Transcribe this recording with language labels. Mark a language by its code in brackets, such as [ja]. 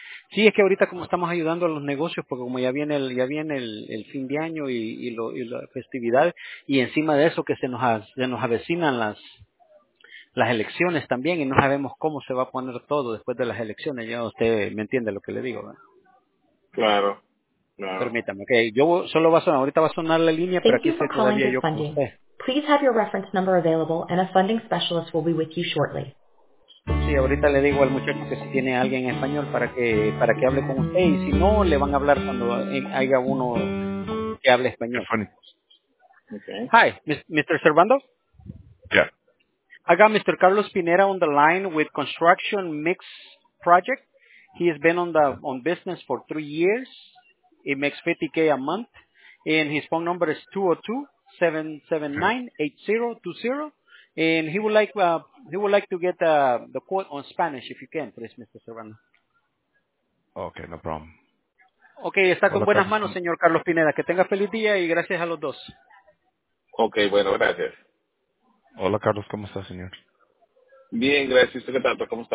[es] Sí, es que ahorita como estamos ayudando a los negocios, porque como ya viene el fin de año y la festividad, y encima de eso que se nos avecinan las elecciones también, y no sabemos cómo se va a poner todo después de las elecciones, ya usted me entiende lo que le digo, ¿verdad? Claro. No. Permítame, okay. Yo solo va a sonar, ahorita va a sonar la línea, pero aquí estoy todavía yo. [en] Please have your reference number available and a funding specialist will be with you shortly. [es] Sí, ahorita le digo al muchacho que si tiene alguien en español para que hable con usted y si no le van a hablar cuando haya uno que hable español. [en] Okay. Hi, Mr. Servando? Yeah. I got Mr. Carlos Pineda on the line with Construction Mix Project. He has been on business for 3 years. He makes $50,000 a month, and his phone number is 202-779-8020. And he would like to get the quote on Spanish, if you can, please, Mr. Serrano. Okay, no problem. [es] Okay, está con buenas manos, señor Carlos Pineda. Que tenga feliz día y gracias a los dos. Okay, bueno, gracias. Hola, Carlos, ¿cómo está, señor? Bien, gracias. ¿Qué tal? ¿Cómo está?